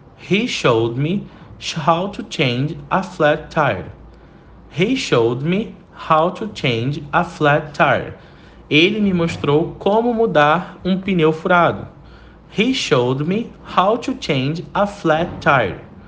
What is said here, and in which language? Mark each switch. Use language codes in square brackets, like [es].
[en] He showed me how to change a flat tire. He showed me how to change a flat tire. [pt] Ele me mostrou como mudar um pneu furado. [en] He showed me how to change a flat tire.